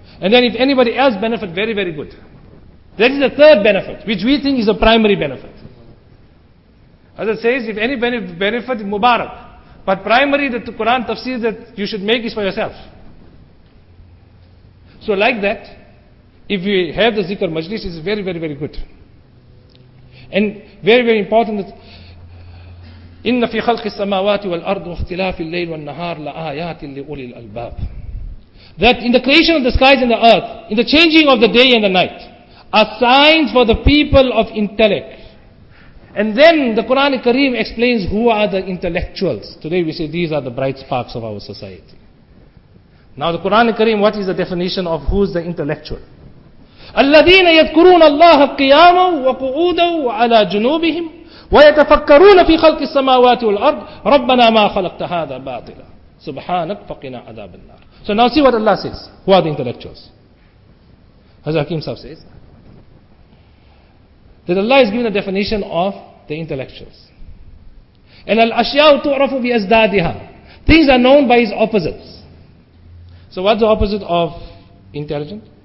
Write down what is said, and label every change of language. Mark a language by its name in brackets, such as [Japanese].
[English] And then if anybody else benefit, very, very good. That is the third benefit, which we think is a primary benefit. As it says, if any benefit, mubarak. But primary, the Quran tafsir that you should make is for yourself. So like that, if you have the zikr majlis, it's very, very, very good. And very, very important that [Arabic] إِنَّ فِي خَلْقِ السَّمَاوَاتِ وَالْأَرْضُ وَاخْتِلَافِ اللَّيْلِ وَالنَّهَارِ لَآيَاتٍ لِأُولِي الْأَلْبَابِ. [English] That in the creation of the skies and the earth, in the changing of the day and the night, are signs for the people of intellect. And then the Quran Kareem explains who are the intellectuals. Today we say these are the bright sparks of our society. Now the Quran Kareem, what is the definition of who's the intellectual? [Arabic] الَّذِينَ يَذْكُرُونَ اللَّهَ قِيَامًا وَقُعُودًا وَعَلَى جُنُوبِهِمْ وَيَتَفَكَّرُونَ فِي خَلْقِ السَّمَاوَاتِ وَالْأَرْضِ رَبَّنَا مَا خَلَقْتَ هَذَا بَاطِلًا سُبْحَانَكَ فَقِنَا عَذَابَ النَّارِ. [English] So now see what Allah says. Who are the intellectuals? Hazrat Hakim Sahib says that Allah has given a definition of the intellectuals. [Arabic] And الْأَشْيَاءُ تُعْرَفُ بِأَزْدَادِهَا. [English] Things are known by its opposites. So what's the opposite of intelligent?